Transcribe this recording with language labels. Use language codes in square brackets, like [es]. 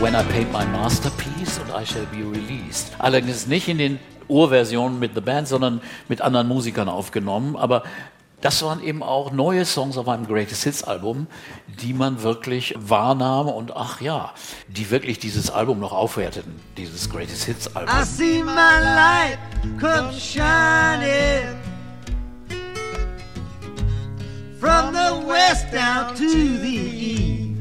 [en] When I paint my masterpiece and I shall be released. [de] Allerdings nicht in den Urversionen mit The Band, sondern mit anderen Musikern aufgenommen. Aber das waren eben auch neue Songs auf einem Greatest Hits Album, die man wirklich wahrnahm und ach ja, die wirklich dieses Album noch aufwerteten, dieses Greatest Hits Album. [en] I see my light come shining from the west down to the east.